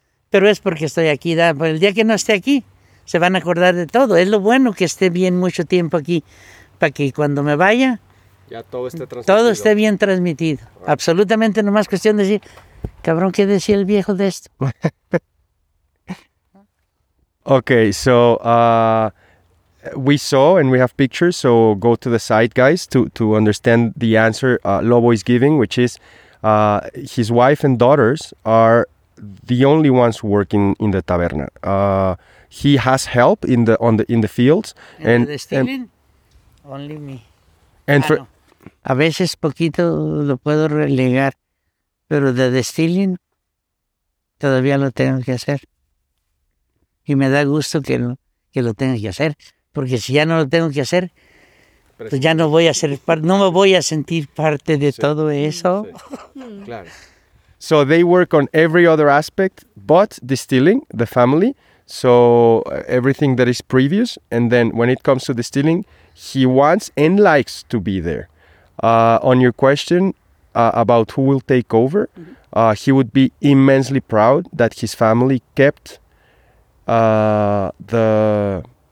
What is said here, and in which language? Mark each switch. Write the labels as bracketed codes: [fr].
[es] Pero es porque estoy aquí, ¿da? Porque el día que no esté aquí, se van a acordar de todo. Es lo bueno que esté bien mucho tiempo aquí, para que cuando me vaya, ya todo esté transmitido. Todo esté bien transmitido. Ah. Absolutamente nomás cuestión de decir, cabrón, ¿qué decía el viejo de esto? [en] Ok, so we saw and we have pictures, so go to the site, guys, to understand the answer Lobo is giving, which is his wife and daughters are the only ones working in the taberna. He has help in the fields. And the distilling? Only me. And for, [es] a veces poquito lo puedo relegar, pero the distilling todavía lo tengo que hacer. Y me da gusto que lo tenga que hacer, porque si ya no lo tengo que hacer, pues ya no voy a ser parte, no me voy a sentir parte de sí, todo eso. Sí. Claro. [en] So they work on every other aspect but distilling, the family. So everything that is previous, and then when it comes to distilling, he wants and likes to be there. On your question about who will take over, he would be immensely proud that his family kept the...